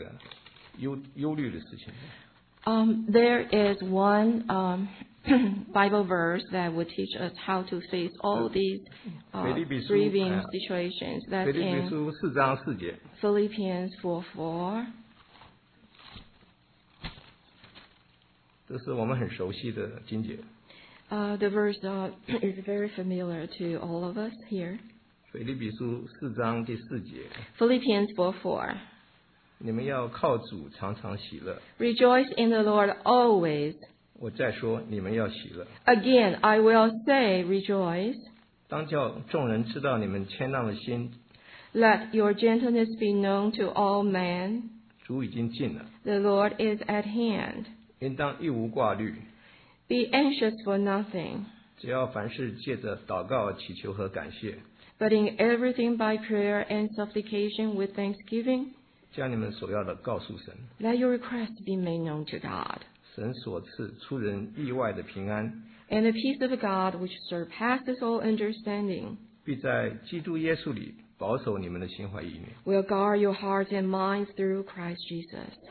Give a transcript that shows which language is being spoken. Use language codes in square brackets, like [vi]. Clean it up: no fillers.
[zh] 有一节，有一段圣经是讲到怎么样来面对这个忧虑的事情。 [en] There is one Bible verse that would teach us how to face all these grieving situations. That's in Philippians 4:4. [zh] 这是我们很熟悉的经节。 [en] The verse is very familiar to all of us here. [zh] 腓立比书4章第4节。 [en] Philippians 4:4. [zh] 你们要靠主常常喜乐。 [en] Rejoice in the Lord always. [zh] 我再说，你们要喜乐。 [en] Again, I will say rejoice. [zh] 当叫众人知道你们谦让的心。 [en] Let your gentleness be known to all men. [zh] 主已经近了。 [en] The Lord is at hand. [zh] 应当一无挂虑。 [en] Be anxious for nothing. [zh] 只要凡事借着祷告祈求和感谢。 [en] But in everything by prayer and supplication with thanksgiving. [zh] 将你们所要的告诉神。 [en] Let your request be made known to God. [zh] 神所赐出人意外的平安。 [en] And the peace of God which surpasses all understanding. [zh] 必在基督耶稣里保守你们的心怀意念。 [en] Will guard your hearts and minds through Christ Jesus.